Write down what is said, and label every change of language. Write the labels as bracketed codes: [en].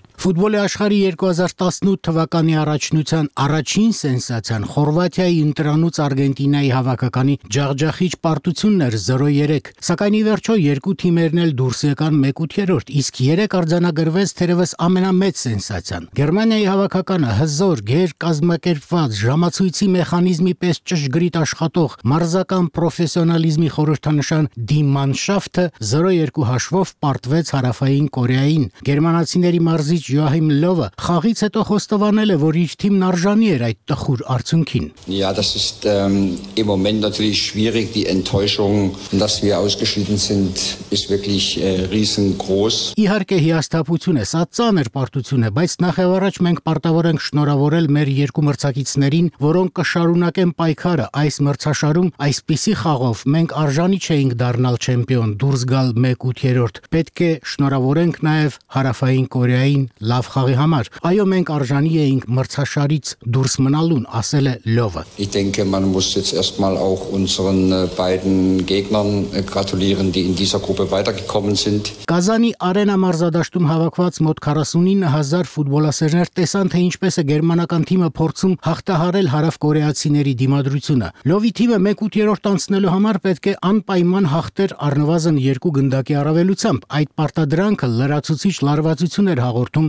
[hy] Ֆուտբոլի աշխարհի 2018 թվականի առաջնության առաջին սենսացիան Խորվաթիայի ընտրանուց Արգենտինայի հավաքականի ջախջախիչ պարտությունն էր 0-3, սակայն ի վերջո երկու թիմերն էլ դուրս եկան 1/3, իսկ 3 արձանագրվեց թերևս ամենամեծ սենսացիան։ Գերմանիայի հավաքականը հզոր, գերկազմակերպված, ժամացույցի մեխանիզմի պես ճշգրիտ աշխատող, մարզական պրոֆեսիոնալիզմի խորհրդանշան դի մանշաֆթը 0-2 հաշվով պարտվեց Հարավային Կորեային։ Գերմանացիների Արզիչ Յոահիմ Լովը խաղից հետո խոստովանել է, որ իր թիմն արժանի էր այդ տխուր արդյունքին։ [de] Ja, das ist im Moment natürlich schwierig, die Enttäuschung, dass wir ausgeschieden sind, ist wirklich riesengroß. [hy] Իհարկե հիասթափություն է, սա ծանր պարտություն է, բայց նախևառաջ մենք պարտավոր ենք շնորհավորել մեր երկու մրցակիցներին, որոնք կշարունակեն պայքարը այս մրցաշարում, այսպիսի խաղով մենք արժանի չենք դառնալ չեմպիոն, դուրս գալ 1/3, պետք է շնորհավորենք նաև Հարավային Կորեայի լավ խաղի համար։ Այո, մենք արժանի էինք մրցաշարից դուրս մնալուն, ասել է Լովը։ [de] Ich denke, man muss jetzt erstmal auch unseren beiden Gegnern gratulieren, die in dieser Gruppe weitergekommen sind. [hy] Կազանի Արենա մարզադաշտում հավաքված մոտ 49,000 ֆուտբոլասերներ տեսան, թե ինչպես է գերմանական թիմը փորձում հաղթահարել հարավկորեացիների դիմադրությունը։ Լովի թիմը 1/3 անցնելու համար պետք է անպայման հաղթեր առնվազն 2 գնդակի առավելությամբ։ Այդ պարտադրանքը լրացուցիչ լարվածություն էր հաղորդում